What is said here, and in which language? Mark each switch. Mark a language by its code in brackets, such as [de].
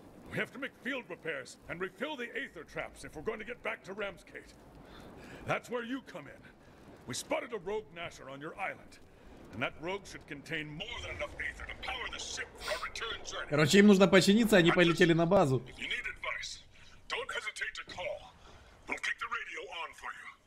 [en] We have to make field repairs and refill the aether traps if we're going to get back to Ramsgate. That's where you come in. We spotted a rogue Gnasher on your island, and that rogue should contain more than enough aether to power the ship for our return journey. [ru] Короче, им нужно починиться, они полетели на базу. [en] If you need advice, don't hesitate to call. We'll kick the radio on for you.